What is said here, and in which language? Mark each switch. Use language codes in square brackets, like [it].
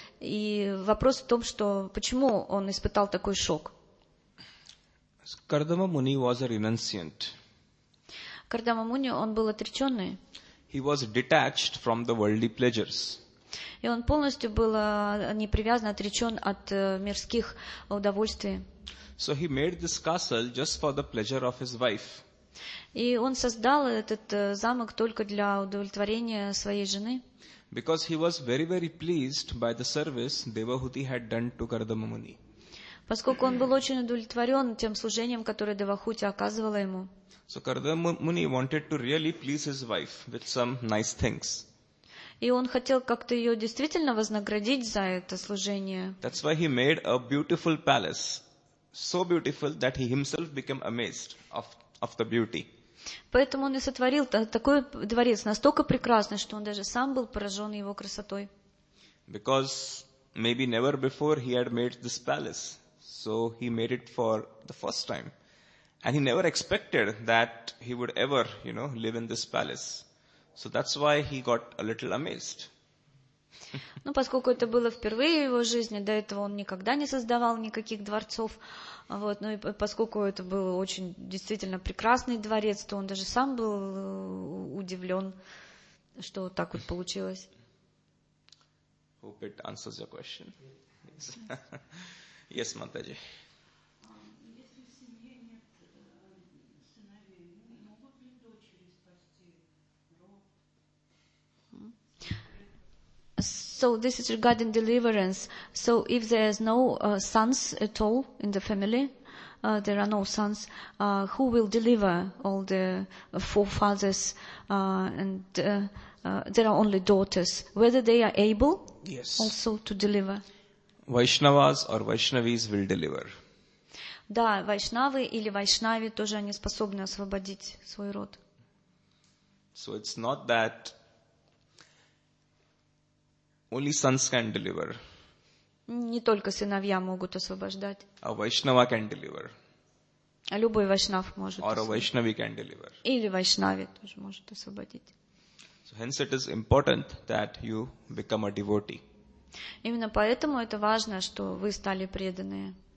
[ru] И вопрос в том, что почему он испытал такой шок. [en] Кардама Муни was a renunciant. [ru] Кардама Муни, он был отреченный. [en] He was detached from the worldly pleasures. [ru] И он полностью был непривязан, отречен от мирских удовольствий. [en] So he made this castle just for the pleasure of his wife. [ru] И он создал этот замок только для удовлетворения своей жены. [en] Because he was very, very pleased by the service Devahuti had done to Kardama Muni. [ru] Поскольку он был очень удовлетворен тем служением, которое Девахути оказывала ему. [en] So Kardama Muni wanted to really please his wife with some nice things. [ru] И он хотел как-то ее действительно вознаградить за это служение. [en] That's why he made a beautiful palace. So beautiful that he himself became amazed of the beauty. [ru] Поэтому он и сотворил такой дворец, настолько прекрасный, что он даже сам был поражен его красотой. [en] Because maybe never before he had made this palace. So he made it for the first time. And he never expected that he would ever, you know, live in this palace. So that's why he got a little amazed. [ru] Ну, поскольку это было впервые в его жизни, до этого он никогда не создавал никаких дворцов. Вот, ну и поскольку это был очень действительно прекрасный дворец, то он даже сам был удивлен, что так вот получилось. [en] Hope it answers your question. Yes, yes Матаджи. So this is regarding deliverance. So if there is no sons at all in the family, there are no sons, who will deliver all the forefathers? There are only daughters. Whether they are able, yes, also to deliver? Vaishnavas or Vaishnavis will deliver. [ru] Да, Вайшнавы или Вайшнави тоже они способны освободить свой род. [en] So it's not that only sons can deliver. [ru] Не только сыновья могут освобождать. [en] A Vaishnava can deliver. [ru] А любой Вайшнав может. [en] Or a Vaishnavi can deliver. [ru] Или Вайшнави тоже может освободить. [en] So hence it is important that you become a devotee. [ru] Именно поэтому это важно, что вы стали преданными.